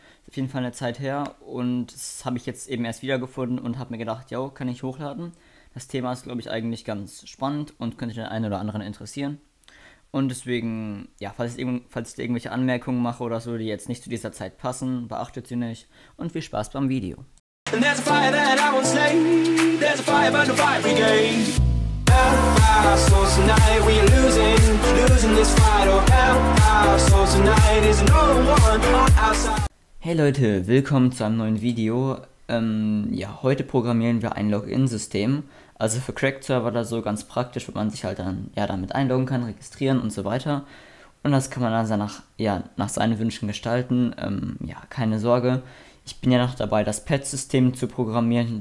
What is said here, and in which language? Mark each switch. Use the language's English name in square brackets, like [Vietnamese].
[German] Ist auf jeden Fall eine Zeit her und das habe ich jetzt eben erst wiedergefunden und habe mir gedacht, jo, kann ich hochladen. Das Thema ist, glaube ich, eigentlich ganz spannend und könnte den einen oder anderen interessieren. Und deswegen, ja, falls ich irgendwelche Anmerkungen mache oder so, die jetzt nicht zu dieser Zeit passen, beachtet sie nicht und viel Spaß beim Video. [English] And there's a fire that I won't slay. There's a fire, but no fire brigade. Help our souls tonight. We are losing this fight. Oh, help our souls tonight. There's no one on our side. [German] Hey Leute, willkommen zu einem neuen Video. Ja, heute programmieren wir ein Login-System. Also für Cracked-Server da so ganz praktisch, wenn man sich halt dann ja damit einloggen kann, registrieren und so weiter. Und das kann man dann also nach seinen Wünschen gestalten. Ja, keine Sorge. Ich bin ja noch dabei, das Pet-System zu programmieren.